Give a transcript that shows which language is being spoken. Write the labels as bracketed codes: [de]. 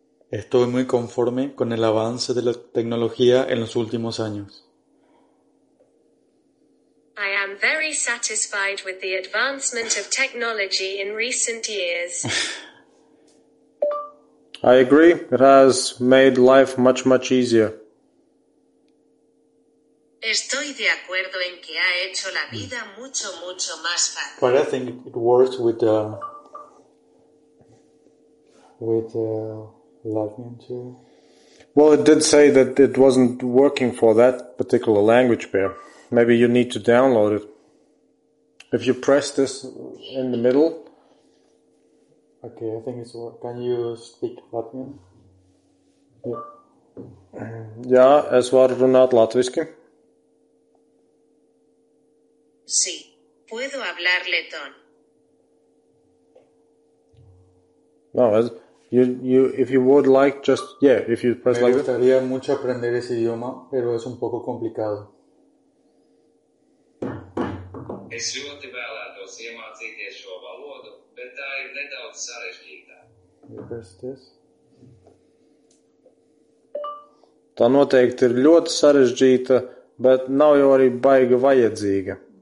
[es] Estoy muy conforme con el avance de la tecnología en los últimos años. [en] I am very satisfied with the advancement of technology in recent years. I agree. It has made life much, much easier. [es] Estoy de acuerdo en que ha hecho la vida mucho, mucho más fácil. [en] But I think it works with Latvian too. Well, it did say that it wasn't working for that particular language pair. Maybe you need to download it. If you press this in the middle. Okay, I think it's working. Can you speak Latvian? [lv] Yeah, es var runāt latviski. [es] Sí, puedo hablar letón. No, es. [en] You if you would like just yeah if you press like [es] me gustaría mucho aprender ese idioma pero es un poco complicado. [lv] Es ļoti vēlētos iemācīties šo valodu, bet tā ir nedaudz sarežģītāka. [en] Press this. [lv] Tā noteikti ir ļoti sarežģīta, bet nav jau arī baiga vajadzīga.